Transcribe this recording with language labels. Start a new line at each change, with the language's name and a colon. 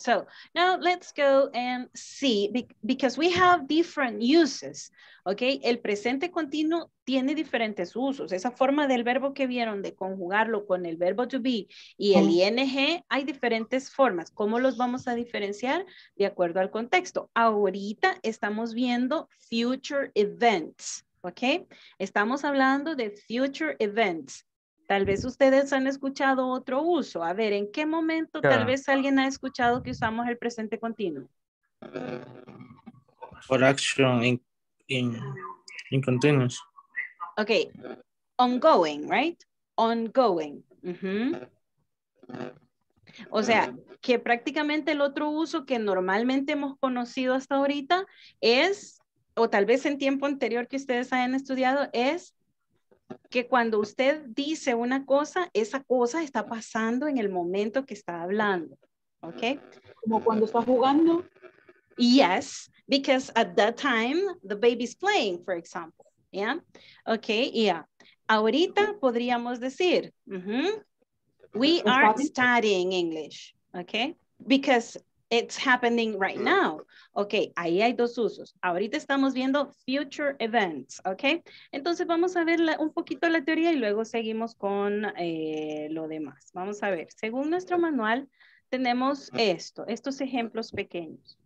English: So now let's go and see, because we have different uses.
Spanish: Okay, el presente continuo tiene diferentes usos. Esa forma del verbo que vieron de conjugarlo con el verbo to be y el ing, hay diferentes formas. ¿Cómo los vamos a diferenciar? De acuerdo al contexto. Ahorita estamos viendo
English: future events.
Spanish: Okay, estamos hablando de
English: future events.
Spanish: Tal vez ustedes han escuchado otro uso. A ver, ¿en qué momento tal vez alguien ha escuchado que usamos el presente continuo?
English: For action in continuous. Ok. Ongoing, right? Ongoing.
Spanish: O sea, que prácticamente el otro uso que normalmente hemos conocido hasta ahorita es, o tal vez en tiempo anterior que ustedes hayan estudiado, es que cuando usted dice una cosa, esa cosa está pasando en el momento que está hablando, ¿ok? Como cuando está jugando.
English: Yes, because at that time the baby's playing, for example, yeah, okay, yeah.
Spanish: Ahorita podríamos decir,
English: we are studying English, okay, because it's happening right now.
Spanish: Ok, ahí hay dos usos. Ahorita estamos viendo
English: future events.
Spanish: Ok, entonces vamos a ver un poquito la teoría y luego seguimos con lo demás. Vamos a ver, según nuestro manual, tenemos esto, estos ejemplos pequeños.